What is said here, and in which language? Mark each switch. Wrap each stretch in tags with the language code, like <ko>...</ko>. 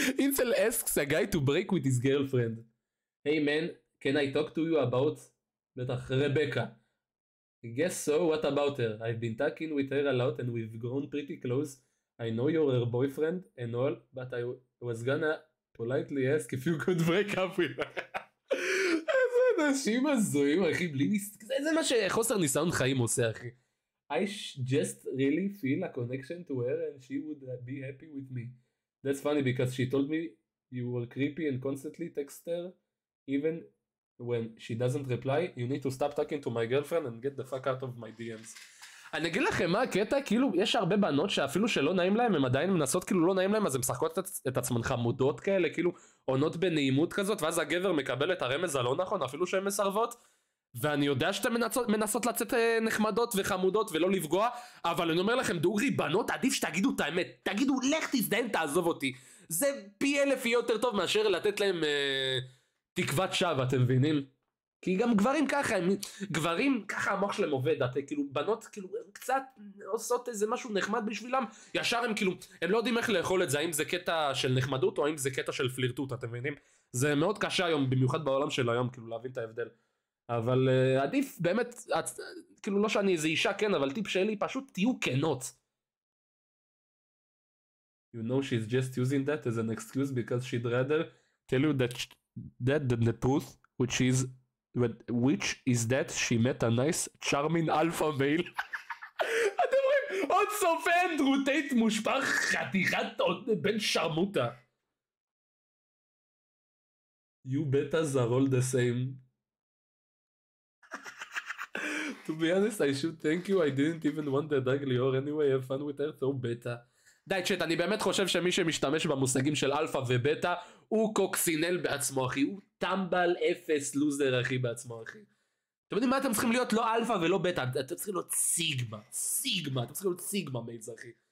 <en>Incel asks a guy to break with his girlfriend. Hey man, can I talk to you about</en> <he>בטח רבקה?</he> <en>Guess so, what about her? I've been talking with her a lot and we've grown pretty close. I know you're her boyfriend and all, but I was gonna politely ask if you could break up with her.</en> <he>איזה אנשים הזויים, אחי, בלי ניסיון. זה מה שחוסר ניסיון חיים עושה, אחי.</he> <en>I just really feel a connection to her and she would be happy with me. That's funny because she told me you were creepy and constantly text her even when she doesn't reply. You need to stop talking to my girlfriend and get the fuck out of my DMs.</en> <he>אני אגיד לכם מה הקטע, כאילו יש הרבה בנות שאפילו שלא נעים להם, הם עדיין מנסות כאילו לא נעים להם, אז הם משחקות את עצמן חמודות כאלה, כאילו עונות בנעימות כזאת, ואז הגבר מקבל את הרמז הלא נכון, אפילו שהן מסרבות. ואני יודע שאתם מנסות לצאת נחמדות וחמודות ולא לפגוע, אבל אני אומר לכם, דוגרי, בנות, עדיף שתגידו את האמת. תגידו, לך תזדהן, תעזוב אותי. זה פי אלף יותר טוב מאשר לתת להם תקוות שווא, אתם מבינים? כי גם גברים ככה, גברים ככה המוח שלהם עובד, אתם כאילו, בנות כאילו, הם קצת עושות איזה משהו נחמד בשבילם, ישר הם כאילו, הם לא יודעים איך לאכול את זה, האם זה קטע של נחמדות או האם זה קטע של פלירטות, אתם מבינים? זה מאוד קשה היום, במיוחד בעולם של היום, כאילו, להבין את ההבדל. אבל עדיף, באמת, כאילו לא שאני איזה אישה, כן, אבל טיפ שלי, פשוט תהיו כנות.</he> <en>You know she's just using that as an excuse because she'd rather tell you that than the truth, which is that she met a nice charming alpha male.</en> <he>אתם רואים, עוד סופה אנדרו טייט מושפע חתיכת עוד בן שרמוטה.</he> <en>You betas are all the same. To be honest, I should thank you, I didn't even want the dagly or anyway, have fun with her, so beta.</en> <he>די, צ'ט, אני באמת חושב שמי שמשתמש במושגים של אלפא ובטא, הוא קוקסינל בעצמו, אחי. הוא טמבל אפס לוזר, אחי, בעצמו, אחי. אתם יודעים מה אתם צריכים להיות? לא אלפא ולא בטא, אתם צריכים להיות סיגמה. סיגמה, אתם צריכים להיות סיגמה, מייץ, אחי.</he>